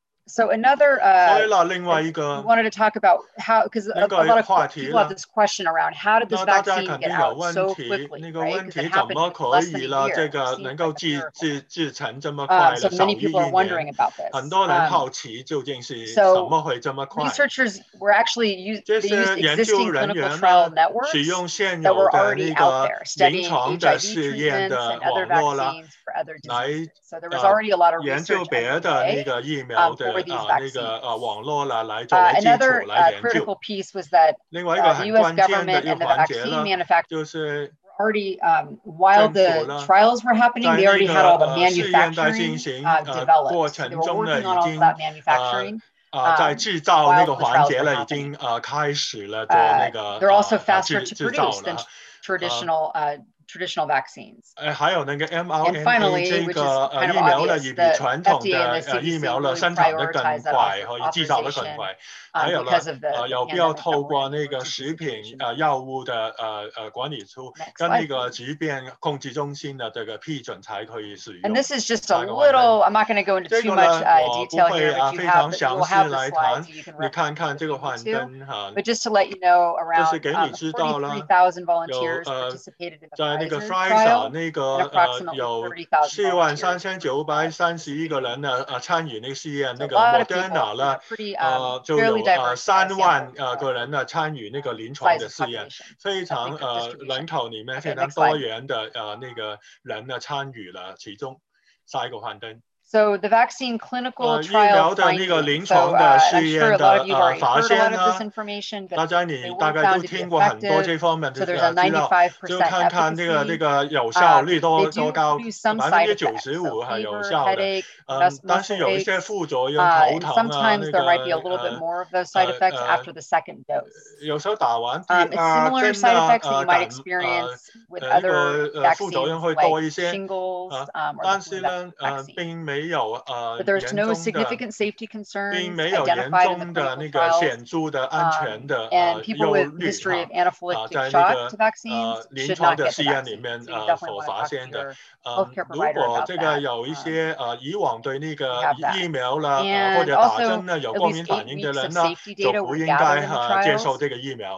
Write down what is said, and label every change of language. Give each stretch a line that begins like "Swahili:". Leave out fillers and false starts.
English: So another, wanted to talk about how, because a lot of people have this question around how did this vaccine get out so quickly, right? Because it happened in less than a year.
Chinese: 能够制成这么快了，
English: so many people are wondering about this.
Chinese: 很多人好奇究竟是怎么会这么快。
English: Researchers were actually using existing clinical trial networks that were already out there, studying HIV treatments and other vaccines for other diseases. So there was already a lot of research out there. Another critical piece was that the U.S. government and the vaccine manufacturers were already, while the trials were happening, they already had all the manufacturing developed. They were working on all of that manufacturing.
Chinese: 在制造那个环节了，已经开始了做那个
English: They're also faster to produce than traditional, traditional vaccines.
Chinese: 还有那个 mRNA
English: finally,
Chinese: 这个疫苗呢，也比传统的疫苗呢生产的更快，和制造的更快。还有呢，有必要透过那个食品药物的管理处跟那个疾病控制中心的这个批准才可以使用。
English: And this is just a little. I'm not going to go into too much detail here.
Chinese: 这个呢，我不会非常详细来谈。你看看这个幻灯哈。
English: But just to let you know, around
Chinese: 就是给你知道了，有
English: participated in the
Chinese: 在那个 Pfizer 那个有43,931个人呢参与那个试验，那个 Moderna 呢就有30,000个人呢参与那个临床的试验，非常人口里面非常多元的那个人呢参与了其中。下一个幻灯。
English: So the vaccine clinical trial findings. So I'm sure a lot of you have heard a lot of this information, but they were found to be effective. So there's a 95% efficacy. They do produce some side effects, so fever, headache, muscle aches. Sometimes there might be a little bit more of those side effects after the second dose. Similar side effects that you might experience with other vaccines, like shingles or the flu vaccine. But there's no significant safety concerns identified in the clinical trials. And people with history of anaphylactic shock to vaccines should not get the vaccine. So you definitely want to talk to your healthcare provider about that.
Chinese: 如果这个有一些以往对那个疫苗啦或者打针呢有过敏反应的人呢，就不应该接受这个疫苗。